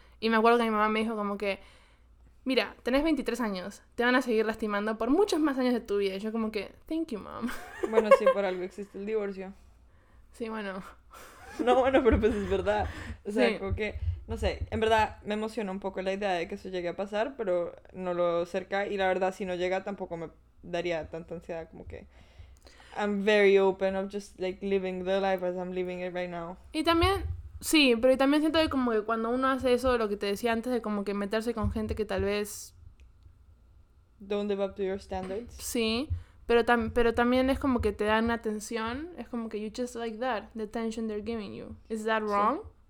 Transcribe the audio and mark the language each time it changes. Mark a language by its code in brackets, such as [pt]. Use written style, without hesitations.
[es] Y me acuerdo que mi mamá me dijo como que, mira, tenés 23 años, te van a seguir lastimando por muchos más años de tu vida. Y yo como que, [en] thank you, mom. [es] Bueno, sí, por algo existe el divorcio. Sí, bueno. No, bueno, pero pues es verdad. O sea, sí. Como que, no sé, en verdad me emociona un poco la idea de que eso llegue a pasar, pero no lo cerca. Y la verdad, si no llega, tampoco me daría tanta ansiedad. Como que, [en] I'm very open, I'm just like living the life as I'm living it right now. [es] Y también... Sí, pero también siento que como que cuando uno hace eso, lo que te decía antes, de como que meterse con gente que tal vez... [en] Don't live up to your standards. [es] Sí, pero también es como que te dan una atención, es como que [en] you just like that, the attention they're giving you. Is that wrong?